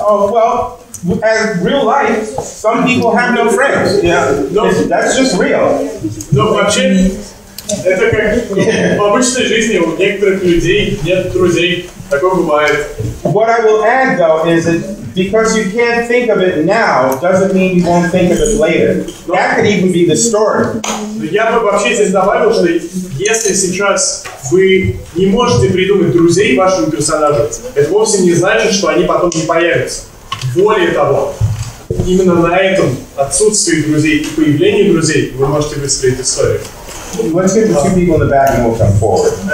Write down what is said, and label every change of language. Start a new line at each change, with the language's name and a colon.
English: Oh, well, as real life, some people have no friends. Yeah. No. That's just real. No,
Russian: вообще, это как в обычной жизни у некоторых людей нет друзей. Такое бывает.
English: What I will add, though, is that because you can't think of it now, doesn't mean you won't think of it later. No. That could even be the story.
Russian: Я бы вообще здесь добавил, что если сейчас вы не можете придумать друзей вашим персонажам, это вовсе не значит, что они потом не появятся. Более того, именно на этом отсутствии друзей и появлении друзей вы можете выстроить историю.
English: Let's get the two people in the back and we'll come forward.